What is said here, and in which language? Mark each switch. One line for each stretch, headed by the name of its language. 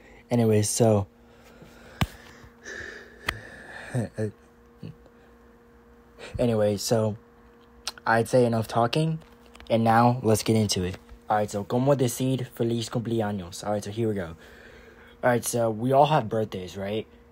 English: Anyway, so anyway, so I'd say enough talking, and now let's get into it. Alright, so
Spanish: ¿cómo decir feliz cumpleaños?
English: Alright, so here we go. Alright, so we all have birthdays, right?